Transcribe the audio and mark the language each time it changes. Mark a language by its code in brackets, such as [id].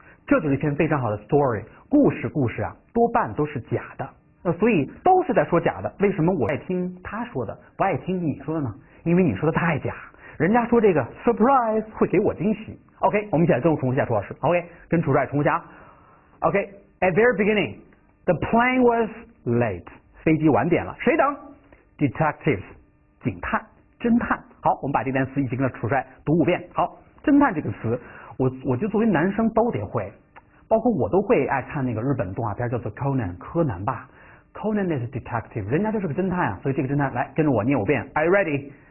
[zh] 这就是一篇非常好的 story， 故事啊多半都是假的，所以都是在说假的。为什么我爱听他说的不爱听你说的呢？因为你说的太假，人家说这个 surprise 会给我惊喜。 OK， 我们一起来跟我重复一下楚老师。 OK， 跟楚帅重复一下。 [en] OK， at very beginning the plane was late， [zh] 飞机晚点了，谁等？ detectives， 警探侦探。好，我们把这单词一起跟楚帅读五遍。好，侦探这个词我就作为男生都得会，包括我都会爱看那个日本动画片叫做 Conan， 柯南吧。 [en] Conan is detective， [zh] 人家就是个侦探啊，所以这个侦探来跟着我念五遍。 [en] Are you ready？